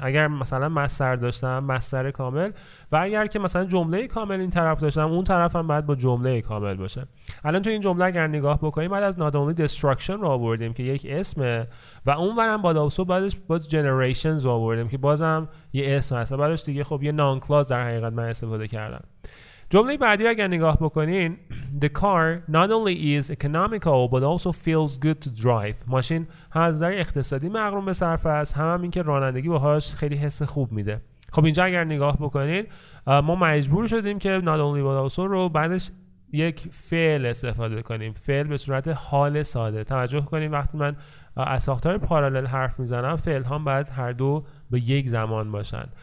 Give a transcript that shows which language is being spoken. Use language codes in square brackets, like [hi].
[fa] اگر مثلا مصدر داشتم، مصدر کامل، و اگر که مثلا جمله کامل این طرف داشتم، اون طرف هم بعد با جمله کامل باشه. الان تو این جمله اگر نگاه بکنیم، بعد از نات اونلی دستراکشن رو آوردیم که یک اسمه، و اون برم باد آلسو بعدش باز جنریشنز رو آوردیم که بازم یه اسم هست، و بعدش دیگه خب یه نان کلاز در حقیقت من استفاده کردم. جمله بعدی اگر نگاه بکنین، [en] The car not only is economical but also feels good to drive. [fa] ماشین هم از نظر اقتصادی مقرون به صرفه است، هم این که رانندگی باهاش خیلی حس خوب میده. خب اینجا اگر نگاه بکنین، ما مجبور شدیم که not only but also رو بعدش یک فعل استفاده کنیم، فعل به صورت حال ساده. توجه کنین وقتی من از ساختار پارالل حرف میزنم، فعل هم بعد هر دو به یک زمان باشن.